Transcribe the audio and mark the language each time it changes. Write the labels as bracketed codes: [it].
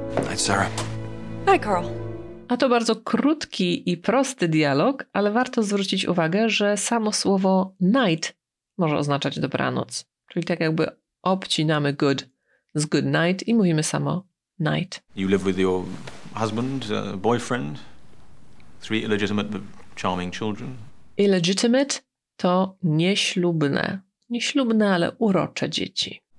[en] Hi, Sarah. Hi, Carl. [pl] A to bardzo krótki i prosty dialog, ale warto zwrócić uwagę, że samo słowo night może oznaczać dobranoc. Czyli tak jakby obcinamy good z good night i mówimy samo night. [en] You live with your husband, boyfriend, three illegitimate but charming children. [pl] Illegitimate to nieślubne. Nieślubne, ale urocze dzieci.